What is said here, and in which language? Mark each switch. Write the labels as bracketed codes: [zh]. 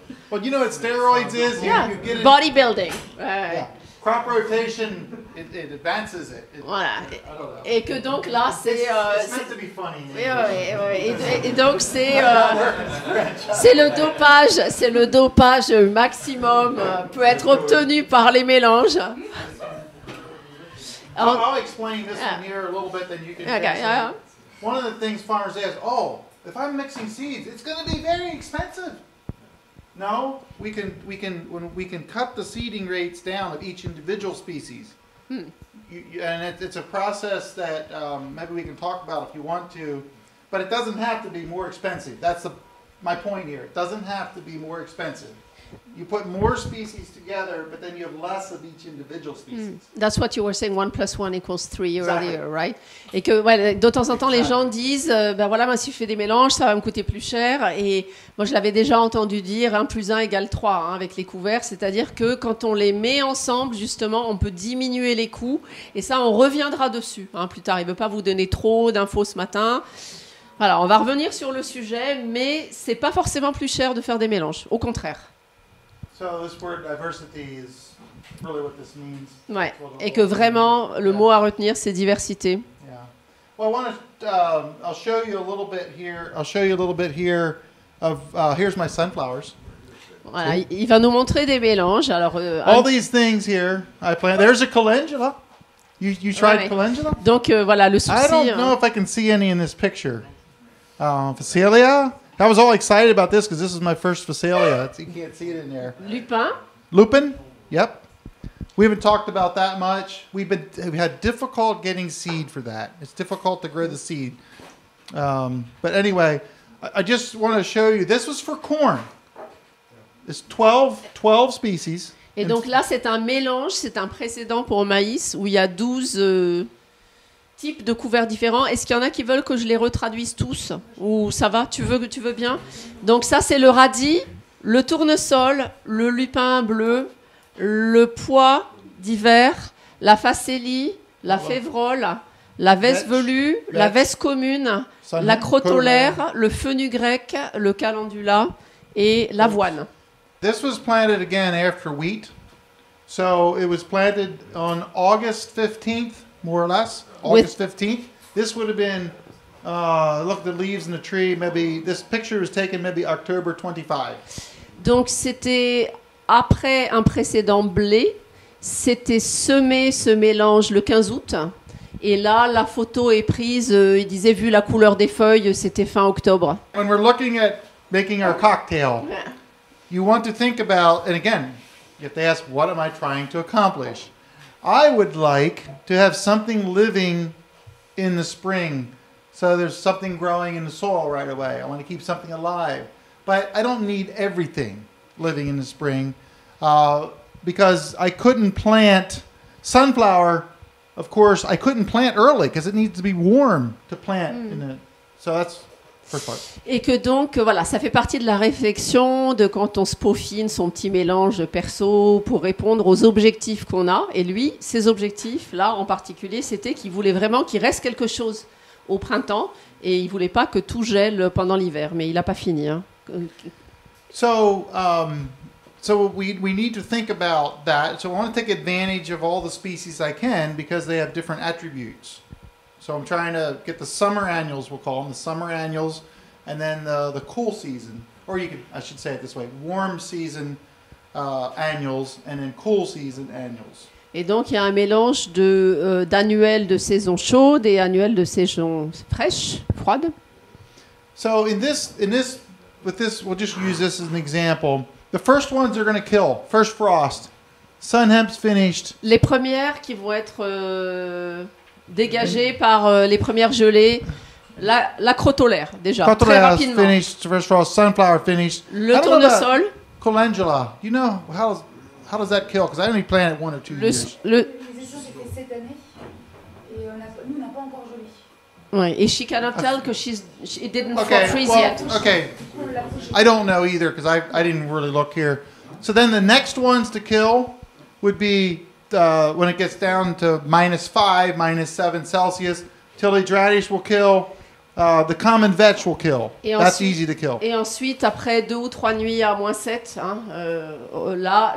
[en] Well, you know what steroids is? You get it. Bodybuilding. Yeah. Crop rotation, it advances it. [fr] Voilà. Et que donc là, c'est... [en] It's meant to be funny. [fr] Et donc, c'est le dopage maximum peut être obtenu par les mélanges. [en] I'll explain this one here a little bit, then you can... Okay, yeah. One of the things farmers ask, oh, if I'm mixing seeds, it's going to be very expensive. No, we can cut the seeding rates down of each individual species. It's a process that maybe we can talk about if you want to, but it doesn't have to be more expensive. That's my point here. It doesn't have to be more expensive. You put more species together, but then you have less of each individual species. That's what you were saying, 1 + 1 = 3 earlier, exactly. Right? [fr] Et que de temps en temps, les gens disent, si je fais des mélanges, ça va me coûter plus cher. Et moi, je l'avais déjà entendu dire, 1 + 1 = 3, hein, avec les couverts. C'est-à-dire que quand on les met ensemble, justement, on peut diminuer les coûts. Et ça, on reviendra dessus plus tard. Il ne veut pas vous donner trop d'infos ce matin. Voilà, on va revenir sur le sujet, mais ce n'est pas forcément plus cher de faire des mélanges. Au contraire. [en] So this word diversity is really what this means. [fr] Ouais. Et que vraiment le mot à retenir c'est diversité. [en] Yeah. Well, I'll show you a little bit here of here's my sunflowers. [fr] Voilà, il va nous montrer des mélanges. Alors [en] all these things here, I plant. There's a calendula. You tried calendula? [fr] Donc voilà le souci. [en] I don't know if I can see any in this picture. Phacelia? I was all excited about this because this is my first phacelia. You can't see it in there. Lupin? Yep. We haven't talked about that much. We've had difficult getting seed for that. It's difficult to grow the seed. But anyway, I just want to show you. This was for corn. It's 12 species. [fr] Et donc là, c'est un mélange. C'est un précédent pour maïs où il y a 12 types de couverts différents. Est-ce qu'il y en a qui veulent que je les retraduise tous? Ou ça va? Tu veux bien? Donc ça, c'est le radis, le tournesol, le lupin bleu, le pois d'hiver, la facélie, la févrole, la vesce velue, la vesce commune, la crotolaire, le fenugrec, le calendula et l'avoine. [en] This was planted again after wheat. So it was planted on August 15th, more or less. August 15th. This would have been, look at the leaves in the tree, maybe this picture was taken maybe October 25. [fr] Donc c'était après un précédent blé, c'était semé ce mélange le 15 août. Et là, la photo est prise, il disait vu la couleur des feuilles, c'était fin octobre. [en] When we're looking at making our cocktail, you want to think about, and again, you have to ask, what am I trying to accomplish? I would like to have something living in the spring, so there's something growing in the soil right away. I want to keep something alive, but I don't need everything living in the spring because I couldn't plant sunflower. Of course, I couldn't plant early because it needs to be warm to plant in it. So that's first part. [fr] Et que donc voilà, ça fait partie de la réflexion de quand on se peaufine son petit mélange perso pour répondre aux objectifs qu'on a. Et lui, ses objectifs là en particulier, c'était qu'il voulait vraiment qu'il reste quelque chose au printemps et il voulait pas que tout gèle pendant l'hiver. Mais il a pas fini. [en] So we need to think about that. So I want to take advantage of all the species I can because they have different attributes. So I'm trying to get the summer annuals, we'll call them, the summer annuals, and then the cool season, or you could, I should say it this way, warm season annuals, and then cool season annuals. [fr] Et donc il y a un mélange de d'annuels de saison chaude et annuels de saison fraîche, froide. So in this with this, we'll just use this as an example. The first ones are going to kill. First frost. Sun hemp's finished. Les premières qui vont être dégagées par les premières gelées. La crotolaire, déjà. Crotolaire très rapidement. [en] Finished. First frost. Sunflower finished. [fr] Le tournesol. Calendula. [en] You know how does that kill? Because I only planted one or two years. [fr] Les échanges étaient cette année. Et nous, on n'a pas encore gelé. Oui. Et [en] she cannot tell because it didn't freeze yet. Okay. I don't know either because I didn't really look here. So then the next ones to kill would be when it gets down to -5, -7 Celsius. Tilidradish will kill. The common vetch will kill. [fr] Et [en] that's [fr] ensuite, [en] easy to kill. [fr] Et ensuite, après 2 ou 3 nuits à -7, hein, là,